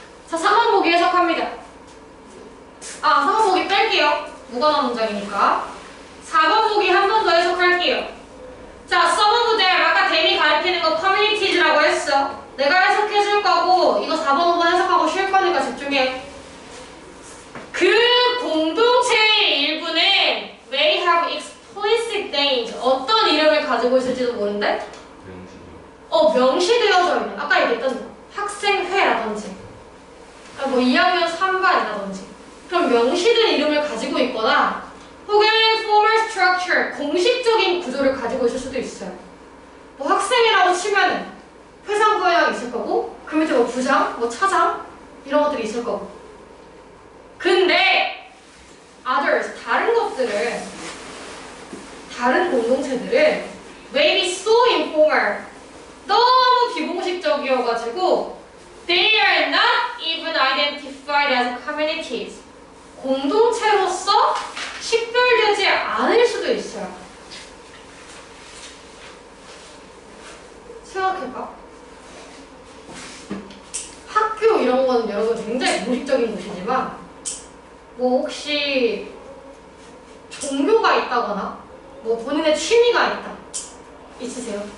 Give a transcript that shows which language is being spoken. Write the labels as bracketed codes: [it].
[ko] 자, 3번 보기 해석합니다. 아, 3번 보기 뺄게요. 무관한 문장이니까. 4번 보기 한 번 더 해석할게요. 자, 써본 분들, 아까 데미 가르치는 거 커뮤니티즈라고 했어. 내가 해석해 줄 거고, 이거 4번 한번 해석하고 쉴 거니까 집중해. 그 공동체의 일부는 [en] may have explicit names. [ko] 어떤 이름을 가지고 있을지도 모른데? 어, 명시되어져 있는. 아까 얘기했던 학생회라든지, 뭐 2학년 3반이라든지. 그럼 명시된 이름을 가지고 있거나, 혹은 [en] formal structure, [ko] 공식적인 구조를 가지고 있을 수도 있어요. 뭐 학생이라고 치면 회상부에 있을 거고, 그 밑에 뭐 부장, 뭐 차장, 이런 것들이 있을 거고. 근데, others, 다른 것들을, 다른 공동체들을, [en] maybe so informal, [ko] 너무 비공식적이어가지고, [en] they are not even identified as communities. [ko] 공동체로서 식별되지 않을 수도 있어요. 생각해봐. 학교 이런 거는 여러분 굉장히 공식적인 곳이지만, 뭐 혹시 종교가 있다거나, 뭐 본인의 취미가 있다. 있으세요?